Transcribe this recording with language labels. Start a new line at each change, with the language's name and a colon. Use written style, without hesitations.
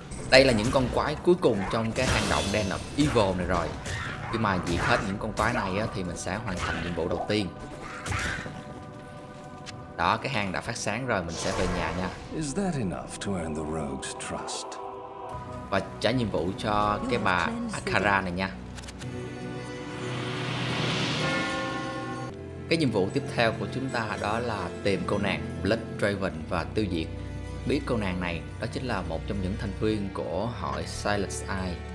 Vietnamese: Đây là những con quái cuối cùng trong cái hang động Den of Evil này rồi. Khi mà diệt hết những con quái này á, thì mình sẽ hoàn thành nhiệm vụ đầu tiên. Đó, cái hang đã phát sáng rồi, mình sẽ về nhà nha.
English: Is that enough to earn the rogue's trust?
Vietnamese: Và trả nhiệm vụ cho cái bà Akara này nha. Cái nhiệm vụ tiếp theo của chúng ta đó là tìm cô nàng Blood Draven và tiêu diệt. Biết cô nàng này đó chính là một trong những thành viên của hội Silent Eye.